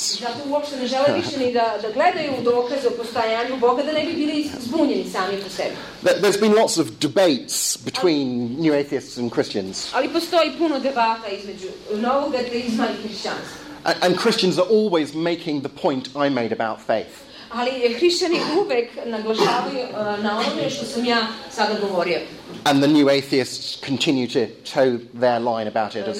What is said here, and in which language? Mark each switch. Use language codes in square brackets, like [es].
[sr] Zato uopšte ne žele više ni da gledaju dokaze o postojanju Boga, da ne bi bili zbunjeni sami po sebi. [en] There's been lots of debates between new atheists and Christians. [sr] Ali postoji puno debata između novog ateizma i kršćanstva. [en] And Christians are always making the point I made about faith. [sr] Ali hrišćani uvek naglašavaju na onome što sam ja sada govorio. [en] And the new atheists continue to toe their line about it.